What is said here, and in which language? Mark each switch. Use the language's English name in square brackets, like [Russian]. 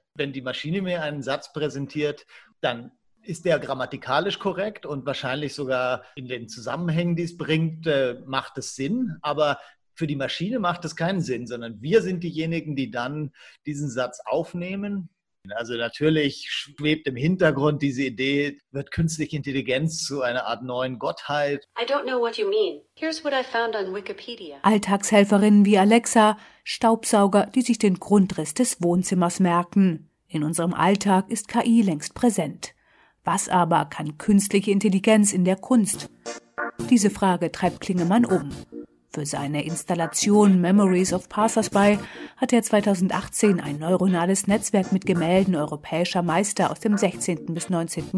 [German] Wenn die Maschine mir einen Satz präsentiert, dann ist der grammatikalisch korrekt und wahrscheinlich sogar in den Zusammenhängen, die es bringt, macht es Sinn. Aber für die Maschine macht es keinen Sinn, sondern wir sind diejenigen, die dann diesen Satz aufnehmen. Also natürlich schwebt im Hintergrund diese Idee, wird künstliche Intelligenz zu einer Art neuen Gottheit. [English] I don't know what you mean. Here's what I found on Wikipedia. [German] Alltagshelferinnen wie Alexa, Staubsauger, die sich den Grundriss des Wohnzimmers merken. In unserem Alltag ist KI längst präsent. Was aber kann künstliche Intelligenz in der Kunst? Diese Frage treibt Klingemann um. Für seine Installation Memories of Passersby hat er 2018 ein neuronales Netzwerk mit Gemälden europäischer Meister aus dem 16. bis 19.